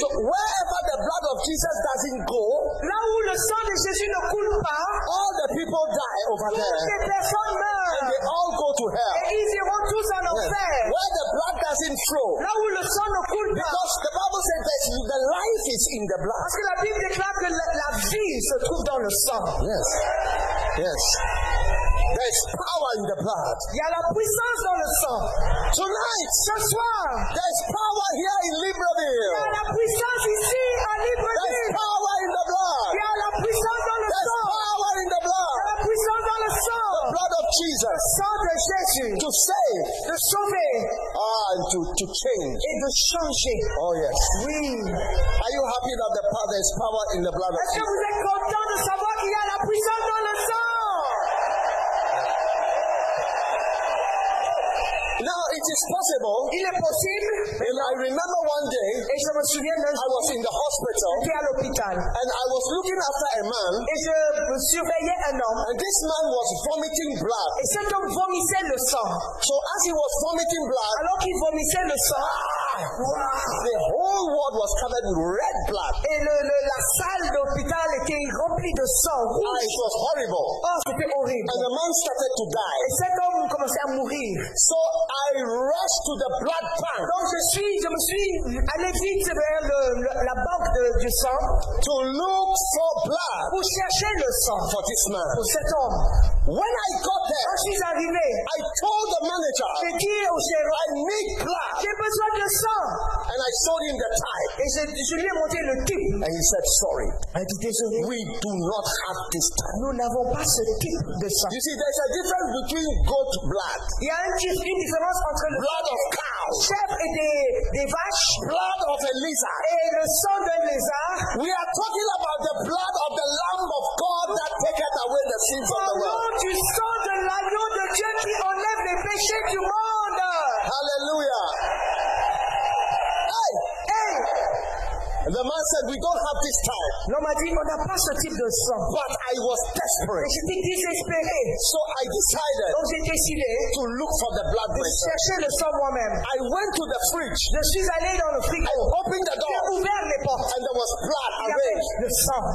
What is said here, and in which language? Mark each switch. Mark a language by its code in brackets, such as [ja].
[en] So wherever the blood of Jesus doesn't go. [fr] Là où le sang de Jésus ne coule pas. [en] All the people die over there. [fr] Toutes les personnes meurent. [en] And they all go to hell. [fr] Et ils iront tous en enfer. [en] Where the blood doesn't flow. [fr] Là où le sang ne coule pas. [en] Because the Bible says that the life is in the blood. [fr] Parce que la Bible déclare que la vie se trouve dans le sang. [en] Yes. Yes. There is power in the blood. [fr] Il y a la puissance dans le sang. [en] Tonight, [fr] ce soir, [en] there is power here in Libreville. [fr] Il y a la puissance ici à Libreville. [en] There is power in the blood. [fr] Il y a la puissance dans le [en] there's [fr] sang. [en] There is power in the blood. [fr] Il y a la puissance dans le sang. [en] The blood of Jesus. [fr] Le sang de Jésus. [en] To save. [fr] De sauver. [en] Ah, and to change. [fr] Et de changer. [en] Oh yes. [fr] Oui. [en] Are you happy that there is power in the blood of Jesus? [fr] Est-ce que vous êtes content de savoir qu'il y a la puissance dans le sang? [en] Now it is possible. [fr] Il est possible. [en] And I remember one day. [fr] Et je me souviens d'un jour. [en] I was in the hospital. [fr] J'étais à l'hôpital. [en] And I was looking after a man. [fr] Et je surveillais un homme. [en] And this man was vomiting blood. [fr] Et cet homme vomissait le sang. [en] So as he was vomiting blood. [fr] Alors qu'il vomissait le sang. [en] Ah, wow. The whole ward was covered with red blood. [fr] Et la salle d'hôpital était remplie de sang. [en] Ah, it was horrible. [fr] Oh, c'était horrible. [en] And the man started to die. [fr] Et cet homme commençait à mourir. [en] So I rushed to the blood bank. [fr] Donc je me suis allé vite vers la banque du sang. [en] To look for blood. [fr] Pour chercher le sang. [en] For this man. [fr] Pour cet homme. [en] When I got there. [fr] Quand je suis arrivé. [en] I told the manager. [fr] J'ai dit au chirurgien. [en] I need blood. [fr] J'ai besoin de sang. [en] And I showed him the type. [fr] Et je lui ai montré le type. [en] And he said sorry. [fr] Il a dit désolé. [en] We do not have this type. [fr] Nous n'avons pas ce type de sang. [en] You see, there's a difference between goat blood. [fr] Il y a une différence entre le [en] blood of cow, [fr] chef et des vaches, [en] blood of a lizard, [fr] et le sang d'un lézard. [en] We are talking about the blood of the Lamb of God that taketh away the sins of the world. [fr] Du sang de l'agneau de Dieu qui enlève les péchés du monde. Hallelujah. Hey. [en] The man said, "We don't have this type." [fr] L'homme a dit, "On n'a pas ce type de sang." [en] But I was desperate. [fr] Mais j'étais désespéré. [en] So I decided. [fr] Donc j'ai décidé [en] to look for the blood. [fr] De chercher le sang moi-même. [en] I went to the fridge. [fr] Je suis allé dans le frigo. [en] I opened the door. [fr] J'ai ouvert les portes. [en] And there was blood. [fr] Il y avait le sang.